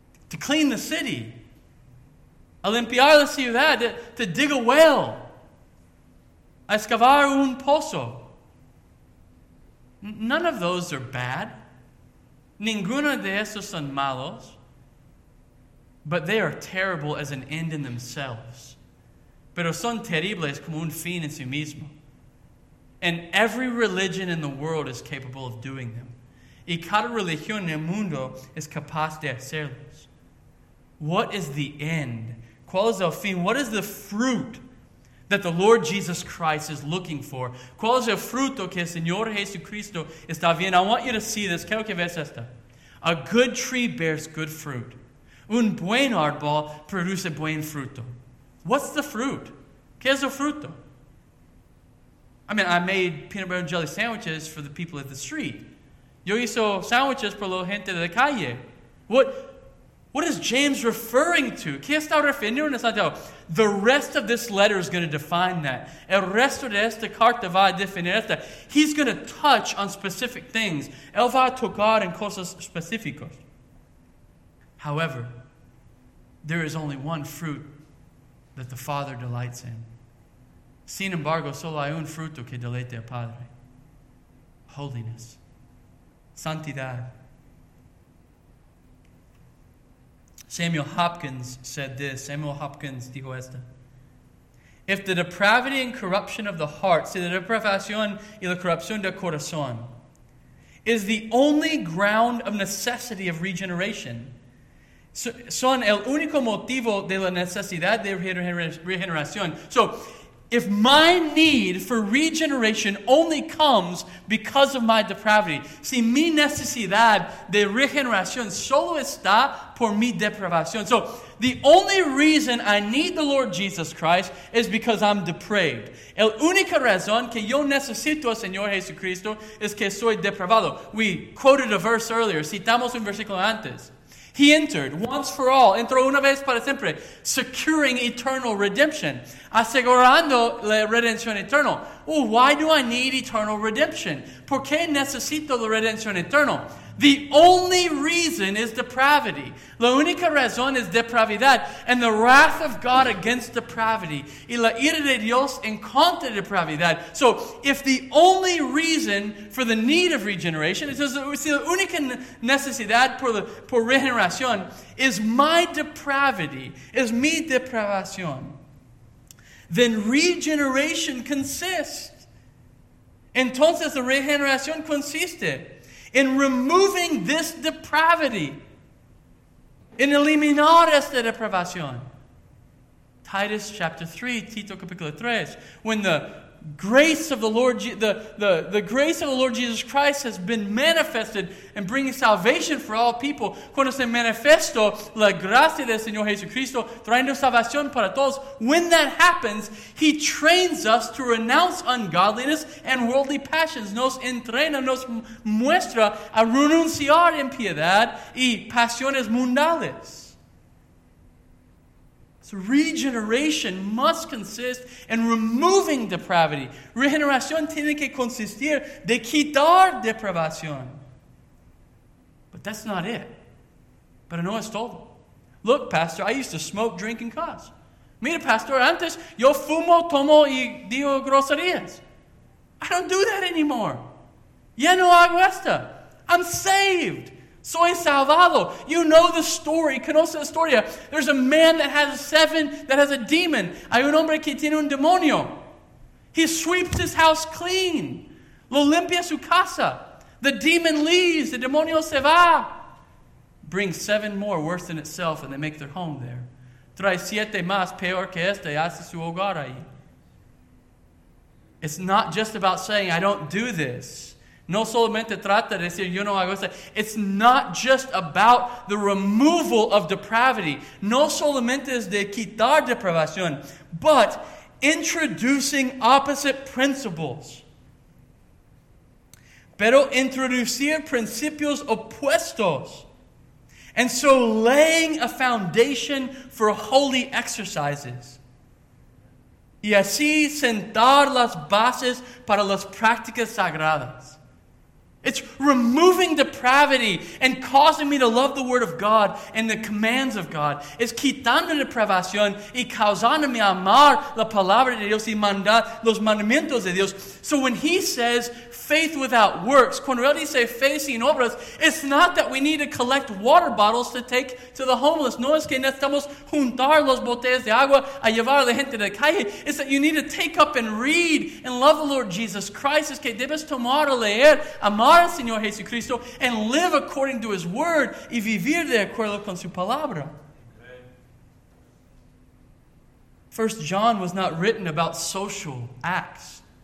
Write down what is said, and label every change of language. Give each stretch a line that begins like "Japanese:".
English: To clean the city.
Spanish: A limpiar la ciudad.
English: To dig a well.
Spanish: A excavar un pozo.
English: None of those are bad.
Spanish: Ninguno de esos son malos.
English: But they are terrible as an end in themselves.
Spanish: Pero son terribles como un fin en sí mismo.
English: And every religion in the world is capable of doing them.
Spanish: Y cada religión en el mundo es capaz de hacerlos.
English: What is the end?
Spanish: ¿Cuál es el fin?
English: What is the fruit that the Lord Jesus Christ is looking for?
Spanish: ¿Cuál es el fruto que el Señor Jesucristo está viendo?
English: I want you to see this.
Spanish: Quiero que veas esto.
English: A good tree bears good fruit.
Spanish: Un buen árbol produce buen fruto.
English: What's the fruit?
Spanish: ¿Qué es el fruto?
English: I mean, I made peanut butter and jelly sandwiches for the people at the street.
Spanish: Yo hizo sandwiches por la gente de la calle.
English: What is James referring to?
Spanish: ¿Qué está refiriendo en Santiago?
English: The rest of this letter is going to define that.
Spanish: El resto de esta carta va a definir esta.
English: He's going to touch on specific things.
Spanish: Él va a tocar en cosas específicas.
English: However, there is only one fruit that the Father delights in.
Spanish: Sin embargo, solo hay un fruto que deleite al Padre.
English: Holiness.
Spanish: Santidad.
English: Samuel Hopkins said this.
Spanish: Samuel Hopkins dijo esto.
English: If the depravity and corruption of the heart,
Spanish: si la depravación y la corrupción del corazón,
English: is the only ground of necessity of regeneration,
Spanish: son el único motivo de la necesidad de regeneración.
English: So, if my need for regeneration only comes because of my depravity,
Spanish: si mi necesidad de regeneración solo está por mi depravación.
English: So, the only reason I need the Lord Jesus Christ is because I'm depraved.
Spanish: El única razón que yo necesito al Señor Jesucristo es que soy depravado.
English: We quoted a verse earlier.
Spanish: Citamos un versículo antes.
English: He entered once for all,
Spanish: entró una vez para siempre,
English: securing eternal redemption,
Spanish: asegurando la redención eterna.
English: Well, why do I need eternal redemption?
Spanish: ¿Por qué necesito la redención eterna?
English: The only reason is depravity.
Spanish: La única razón es depravidad.
English: And the wrath of God against depravity.
Spanish: Y la ira de Dios en contra de depravidad.
English: So, if the only reason for the need of regeneration,
Spanish: si la única necesidad por regeneración
English: is my depravity,
Spanish: is mi depravación,
English: then regeneration consists.
Spanish: Entonces, la regeneración consiste
English: in removing this depravity.
Spanish: In eliminar esta depravación.
English: Titus chapter 3,
Spanish: Tito capítulo 3.
English: When the grace of the Lord Jesus Christ has been manifested and bringing salvation for all people.
Spanish: Cuando se manifestó la gracia del Señor Jesucristo trayendo salvación para todos.
English: When that happens, He trains us to renounce ungodliness and worldly passions.
Spanish: Nos entrena, nos muestra a renunciar impiedad y pasiones mundales.
English: Regeneration must consist in removing depravity.
Spanish: Regeneración tiene que consistir de quitar depravación.
English: But that's not it.
Spanish: Pero no es todo.
English: Look, pastor, I used to smoke, drink, and cuss.
Spanish: Mira, pastor, antes yo fumo, tomo y digo groserías.
English: I don't do that anymore.
Spanish: Ya no hago esto.
English: I'm saved.
Spanish: Soy salvado.
English: You know the story.
Spanish: Conoce la historia.
English: There's a man that has a demon.
Spanish: Hay un hombre que tiene un demonio.
English: He sweeps his house clean.
Spanish: Lo limpia su casa.
English: The demon leaves.
Spanish: The demonio se va.
English: Brings seven more worse than itself and they make their home there.
Spanish: Trae siete más peor que este y hace su hogar ahí.
English: It's not just about saying, I don't do this.
Spanish: No solamente trata de decir, yo no hago esto.
English: It's not just about the removal of depravity.
Spanish: No solamente es de quitar depravación,
English: but introducing opposite principles.
Spanish: Pero introducir principios opuestos.
English: And so laying a foundation for holy exercises.
Spanish: y así sentar las bases para las prácticas sagradas.
English: It's removing depravity and causing me to love the word of God and the commands of God.
Spanish: Es quitando depravación y causándome a amar la palabra de Dios y mandar los mandamientos de Dios.
English: So when he says faith without works,
Spanish: cuando él dice fe sin obras,
English: it's not that we need to collect water bottles to take to the homeless.
Spanish: No es que necesitamos juntar los botellas de agua a llevar a la gente de la calle.
English: It's that you need to take up and read and love the Lord Jesus Christ.
Spanish: Es que debes tomar a leer, amar al Señor Jesucristo,
English: and live according to his word
Spanish: y vivir de acuerdo con su palabra.
English: 1 John was not written about social acts.